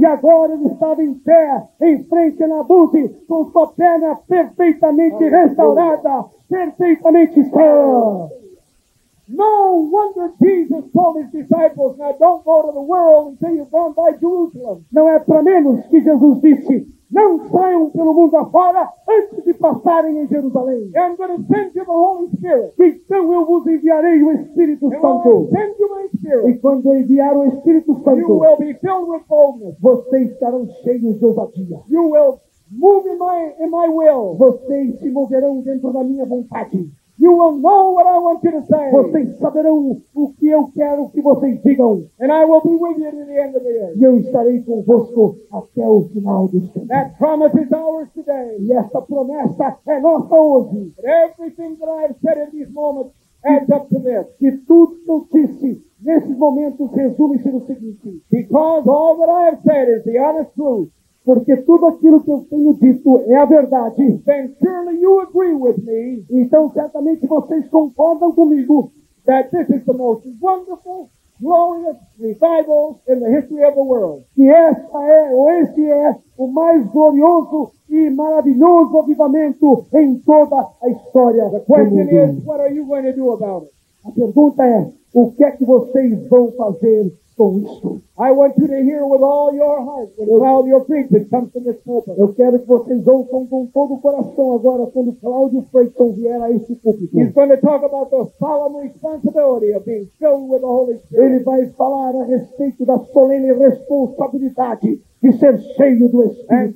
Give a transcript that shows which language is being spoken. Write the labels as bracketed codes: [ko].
[pt] E agora ele estava em pé, em frente a Nabuzi, com sua perna perfeitamente restaurada, perfeitamente sã. [en] No wonder Jesus told his disciples, now don't go to the world until you've gone by Jerusalem. [pt] Não é para menos que Jesus disse, não saiam pelo mundo afora antes de passarem em Jerusalém. [en] I'm going to send you the Holy Spirit. [pt] Então eu vos enviarei o Espírito Santo. [en] And when I send you my Spirit, [pt] e quando eu enviar o Espírito Santo, [en] you will be filled with boldness. [pt] Vocês estarão cheios de ousadia. [en] You will move in my will. [pt] Vocês se moverão dentro da minha vontade. [en] You will know what I want you to say. [pt] Vocês saberão o que eu quero que vocês digam. [en] And I will be with you to the end of the earth. [pt] E eu estarei convosco até o final do tempo. [en] That promise is ours today. [pt] E essa promessa é nossa hoje. [en] But everything that I have said in these moments adds up to this. [pt] Que tudo que eu disse nesses momentos resume-se no seguinte. [en] Because all that I have said is the honest truth. [pt] Porque tudo aquilo que eu tenho dito é a verdade. [en] Then surely you agree with me. [pt] Então certamente vocês concordam comigo. [en] That this is the most wonderful, glorious revivals in the history of the world. [pt] E essa é, ou esse é, o mais glorioso e maravilhoso avivamento em toda a história. [en] The question is, what are you going to do about it? [pt] A pergunta é, o que é que vocês vão fazer com isso? [en] I want you to hear with all your heart when Claudio Freitas comes to this pulpit. [pt] Eu quero que vocês ouçam com todo o coração agora quando Claudio Freitas vier a esse púlpito. [en] He's going to talk about the solemn responsibility of being filled with the Holy Spirit. [pt] Ele vai falar a respeito da solene responsabilidade de ser cheio do Espírito